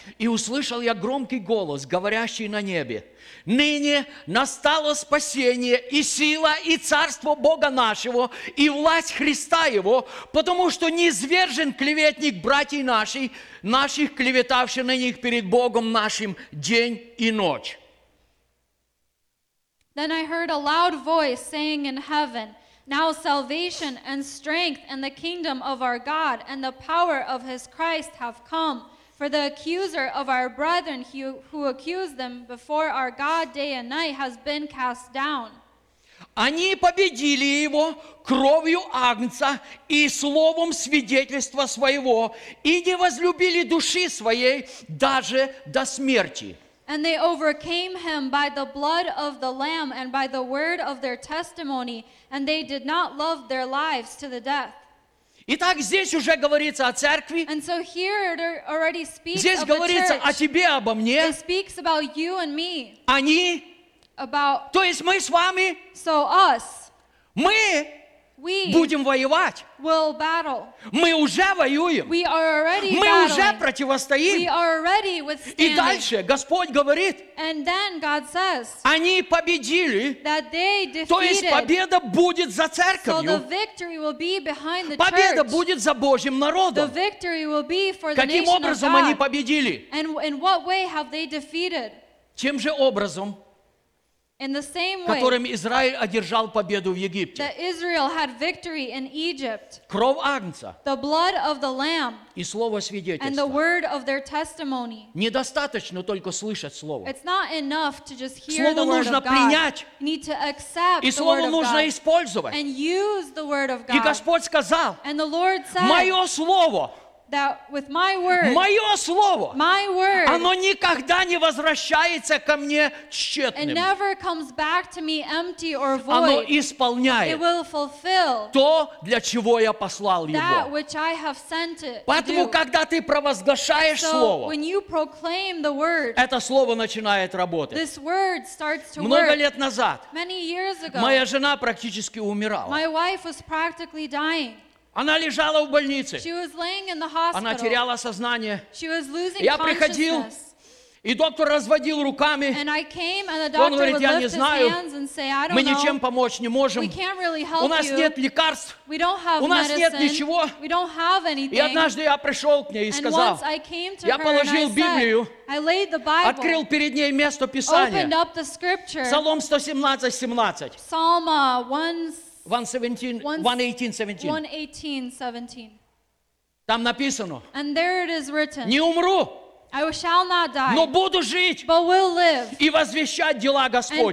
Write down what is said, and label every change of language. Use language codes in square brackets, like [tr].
[ru] И услышал я громкий голос, говорящий на небе: Ныне настало спасение и сила и царство Бога нашего и власть Христа Его, потому что низвержен клеветник братьей нашей, наших клеветавших на них перед Богом нашим день и ночь. [en] Then I heard a loud voice saying in heaven, Now salvation and strength and the kingdom of our God and the power of his Christ have come. For the accuser of our brethren who accused them before our God day and night has been cast down. [ru] Они победили его кровью Агнца и словом свидетельства своего и не возлюбили души своей даже до смерти. [en] And they overcame him by the blood of the Lamb and by the word of their testimony, and they did not love their lives to the death. [ru] Итак, здесь уже говорится о церкви. [en] And so here it already speaks [ru] здесь [en] of [ru] говорится [en] the church. [ru] О тебе, обо мне. [en] It speaks about you and me. [ru] Они. [en] About, [ru] то есть мы с вами. [en] So us. [ru] Мы. [en] We [ru] будем воевать. [en] Will battle. [ru] Мы уже воюем. [en] We are already [ru] мы [en] battling. [ru] Уже противостоим. [en] We are already withstanding. [ru] И дальше Господь говорит, [en] And then God says, [ru] они победили, [en] that they defeated. [ru] То есть победа будет за церковью. [en] So the victory will be behind the church. [ru] Победа будет за Божьим народом. [en] The victory will be for the [ru] Каким [en] nation [ru] образом [en] of God. [ru] Они победили? [en] And in what way have they defeated? [ru] Чем же образом? [en] In the same way, [ru] которым Израиль одержал победу в Египте. [en] That Israel had victory in Egypt. [ru] Кровь Агнца. [en] The blood of the Lamb. [ru] И слово свидетельства. [en] And the word of their testimony. [ru] Недостаточно только слышать слово. [en] It's not enough to just hear the word [ru] нужно [en] of God. [ru] Принять. [en] You need to accept [ru] и слово [en] the word [ru] нужно [en] of God. [ru] Использовать. [en] And use the word of God. [ru] И Господь сказал. [en] And the Lord said. [ru] Мое слово. [en] That with my word, [ru] мое слово, [en] my word, [ru] оно никогда не возвращается ко мне тщетным. [en] It never comes back to me empty or void. [ru] Оно исполняет [en] it will fulfill [ru] то, для чего я послал [en] that [ru] его. [en] Which I have sent it [ru] Поэтому, [en] to do. [ru] Когда ты провозглашаешь [en] so, [ru] слово, [en] when you proclaim the word, [ru] это слово начинает работать. [en] This word starts to [ru] Много [en] work. [ru] Лет назад [en] Many years ago, [ru] моя жена практически умирала. [en] My wife was practically dying. [ru] Она лежала в больнице. [en] She was laying in the hospital. [ru] Она теряла сознание. [en] She was losing [ru] consciousness. Я приходил, и доктор разводил руками. [en] And I came, and the doctor [ru] Он говорит, я не знаю, [en] his hands and say, I don't [ru] мы ничем помочь не можем. [en] We can't really help [ru] У нас [en] you. [ru] Нет лекарств. [en] We don't have [ru] У нас [en] medicine. [ru] Нет ничего. [en] We don't have anything. [ru] И однажды я пришел к ней и сказал, [en] and once I came to [ru] я [en] her [ru] положил [en] and I [ru] Библию, [en] said, I laid the Bible, [ru] открыл перед ней место Писания. [en] Opened up the scripture. [ru] Псалом 117:17. [en] Psalm 117. 118:17. 118:17. [ru] Там написано. [en] And there it is written. [ru] Не умру. [en] I shall not die, [ru] но буду жить [en] but will live, [ru] и возвещать дела Господни.